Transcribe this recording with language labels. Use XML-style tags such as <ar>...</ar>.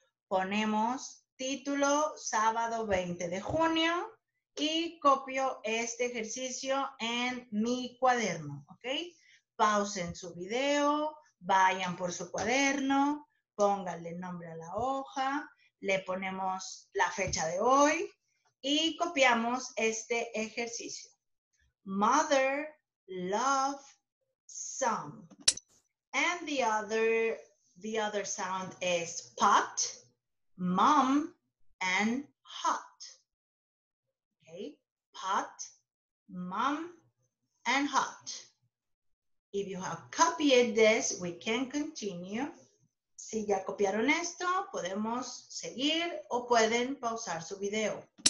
<es>Ponemos título sábado 20 de junio y copio este ejercicio en mi cuaderno, ¿ok? Pausen su video, vayan por su cuaderno, pónganle nombre a la hoja. Le ponemos la fecha de hoy y copiamos este ejercicio.</es> <en>Mother, love, some. And the other sound is pot, mom, and hot. Okay, pot, mom, and hot. If you have copied this, we can continue.</en> <es>Si ya copiaron esto, podemos seguir o pueden pausar su video.</es>